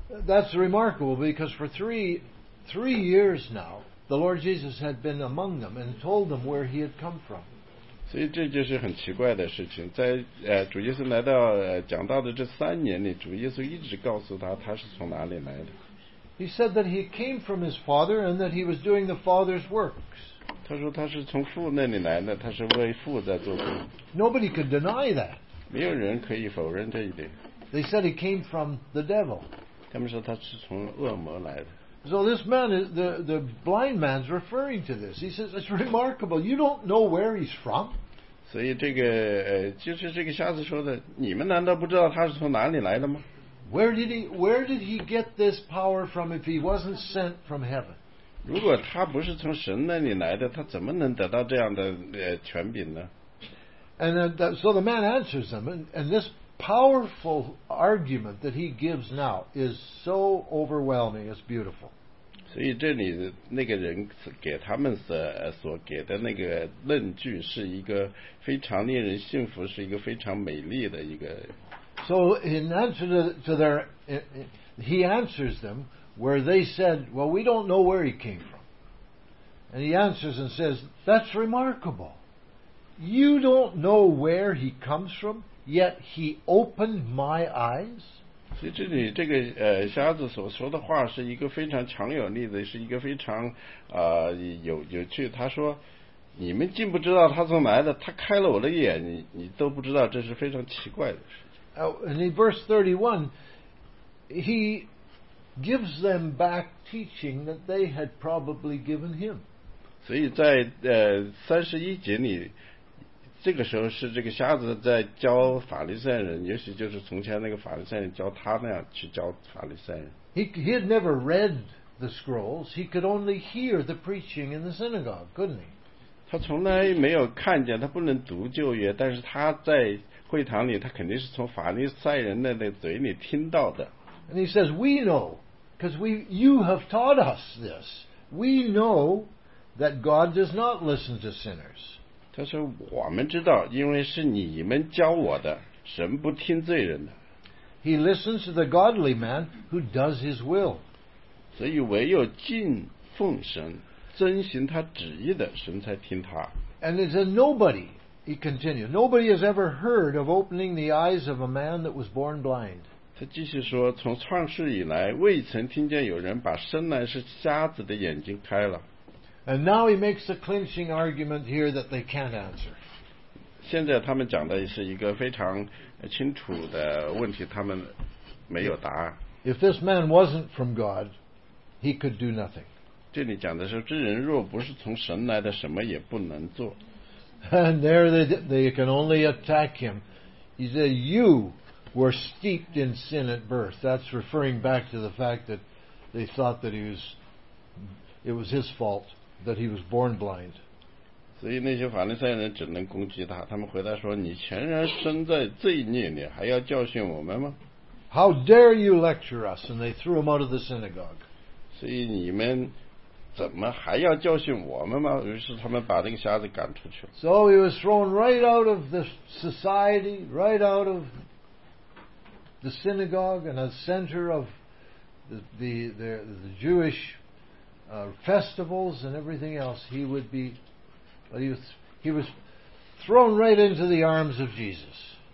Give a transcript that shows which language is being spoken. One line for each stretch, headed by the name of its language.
English: That's remarkable because for three years now, the Lord Jesus had been among them and told them where he had come from.
Chinese: 所以这就是很奇怪的事情，在主耶稣来到讲道的这三年里，主耶稣一直告诉他是从哪里来的。
English: He said that he came from his father and that he was doing the father's works.
Chinese: 他说他是从父那里来的，他是为父在做工。
English: Nobody could deny that.
Chinese: 没有人可以否认这一点。
English: They said he came from the devil.
Chinese: 他们说他是从恶魔来的。
English: So this man, the blind man, is referring to this. He says, "It's remarkable. You don't know where he's from."
Chinese: 所以这个就是这个瞎子说的。你们难道不知道他是从哪里来的吗？
English: Where did he get this power from if he wasn't sent from heaven?
Chinese: 如果他不是从神那里来的，他怎么能得到这样的权柄呢？
English: And so the man answers them, and this. Powerful argument that he gives now is so overwhelming. It's beautiful.
Chinese: 所以这里那个人给他们所给的那个论据是一个非常令人信服，是一个非常美丽的一个。
English: So in answer to their, he answers them where they said, "Well, we don't know where he came from." And he answers and says, "That's remarkable. You don't know where he comes from." Yet he opened my eyes.
Chinese: 所以这里这个瞎子所说的话是一个非常强有力的，是一个非常有趣。他说：“你们竟不知道他从来的，他开了我的眼，你都不知道，这是非常奇怪的事。”
English: And in verse 31, he gives them back teaching that they had probably given him.
Chinese: 所以在31节里。这个时候是这个瞎子在教法利赛人，也许就是从前那个法利赛人教他那样去教法利赛人。
English: He had never read the scrolls. He could only hear the preaching in the synagogue, couldn't he?
Chinese: 他从来没有看见，他不能读旧约，但是他在会堂里，他肯定是从法利赛人那的嘴里听到的。
English: And he says, "We know, because you have taught us this. We know that God does not listen to sinners."
Chinese: 他说我们知道，因为是你们教我的，神不听罪人的。
English: He listens to the godly man who does his will.
Chinese: 所以唯有敬奉神，遵行他旨意的，神才听他。
English: And it's a nobody, he continued, nobody has ever heard of opening the eyes of a man that was born blind.
Chinese: 他继续说，从创世以来，未曾听见有人把生来是瞎子的眼睛开了。
English: And now he makes a clinching argument here that they can't answer.
Chinese: 现在他们讲的是一个非常清楚的问题，他们没有答案。
English: If this man wasn't from God, he could do nothing.
Chinese: 这里讲的是，这人若不是从神来的，什么也不能做。
English: And there they can only attack him. He said, "You were steeped in sin at birth." That's referring back to the fact that they thought that he was. it was his fault that he was born blind.
Chinese: 所以那些法利赛人只能攻击他，他们回答说：“你全然生在罪孽里，还要教训我们吗？”
English: How dare you lecture us? And they threw him out of the synagogue.
Chinese: 所以你们怎么还要教训我们吗？于是他们把那个瞎子赶出去了。
English: So he was thrown right out of the society, right out of the synagogue and a center of the Jewish festivals and everything else. He would be, he was thrown right into the arms of Jesus.